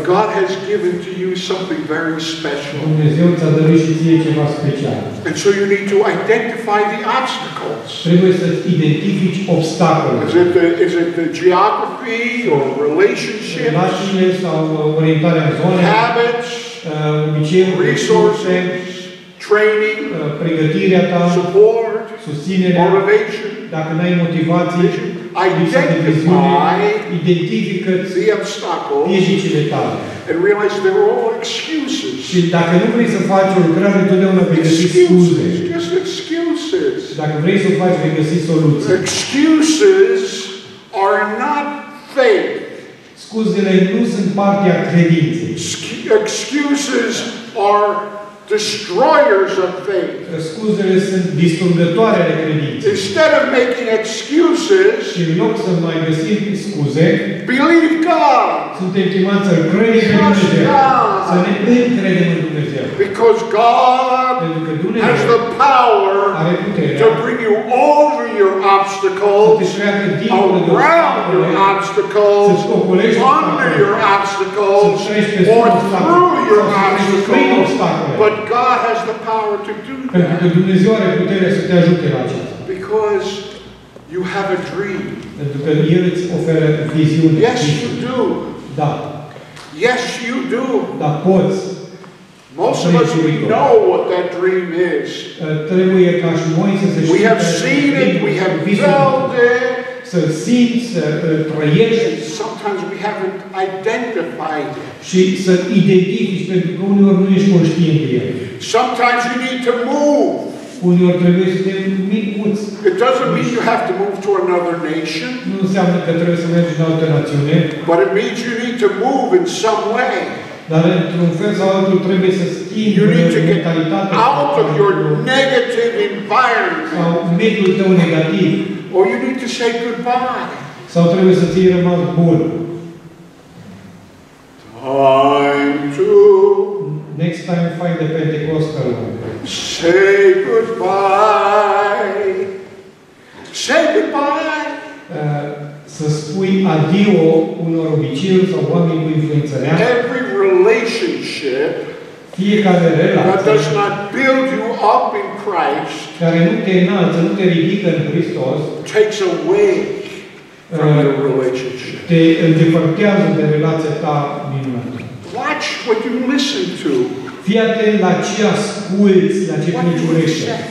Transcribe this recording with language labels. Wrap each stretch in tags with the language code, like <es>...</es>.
<en>God has given to you something very special.</en> <ro>Dumnezeu ți-a dorit și ție ceva special.</ro> <en>And so you need to identify the obstacles.</en> <ro>Trebuie să identifici obstacolele.</ro> <en>Is it the geography or relationships?</en> <ro>Relațiile sau orientarea zonei?</ro> <en>Habits,</en> <ro>obiceiuri,</ro> <en>resources, training,</en> <ro>pregătirea ta,</ro> <en>support,</en> <ro>susținere,</ro> <en>motivation,</en> <ro>dacă n-ai motivație, identifică-ți piedicile tale.</ro> <en>And realize they're all excuses.</en> <ro>Și dacă nu vrei să faci o lucrare, întotdeauna vei găsi scuze.</ro> <en>Just excuses.</en> <ro>Dacă vrei să faci, vei găsi soluții.</ro> <en>Excuses are not faith.</en> <ro>Scuzele nu sunt partea credinței.</ro> <en>Excuses are destroyers of faith.</en> <ro>Scuzele sunt distrugătoare ale credinței.</ro> <en>Instead of making excuses,</en> <ro>și în loc să mai găsim scuze,</ro> <en>believe God.</en> <ro>Suntem chemați să credem în Dumnezeu. Să ne încredem în Dumnezeu.</ro> <en>Because God has the power to bring you over your obstacles, around your obstacles, under your obstacles, or through your obstacles. But God has the power to do that. Because you have a dream. Yes, you do.</en> <ro>Da.</ro> <en>Yes, you do.</en> <ro>Da, poți.</ro> <en>Most of us, we know what that dream is.</en> <ro>Trebuie ca și noi să</ro> <en>we have seen it, we have felt it.</en> <ro>Să simți, să trăiești.</ro> <en>And sometimes we haven't identified it.</en> <ro>Și să identifici, pentru că uneori nu ești conștient de el.</ro> <en>Sometimes you need to move.</en> <ro>Uneori trebuie să te micuți.</ro> <en>It doesn't mean you have to move to another nation.</en> <ro>Nu înseamnă că trebuie să mergi în altă națiune.</ro> <en>But it means you need to move in some way.</en> <ro>Dar într-un fel sau altul trebuie să schimbi mentalitatea.</ro> <en>Out of your negative environment.</en> <ro>Sau mediul tău negativ.</ro> <en>Or you need to say goodbye.</en> <ro>Sau trebuie să ții rămas bun.</ro> <en>Time to. Next time find the Pentecostal. Say goodbye. Say goodbye.</en> <ro>Să spui adio unor obiceiuri sau oameni cu influență rea.</ro> <en>Every relationship</en> <ro>fiecare relație</ro> <en>that does not build you up in Christ,</en> <ro>care nu te înalță, nu te ridică în Hristos,</ro> <en>takes away from the relationship.</en> <ro>Te îndepărtează de relația ta minunată.</ro> <en>Watch what you listen to.</en> <ro>Fii atent la ce asculți, la ce primești,</ro>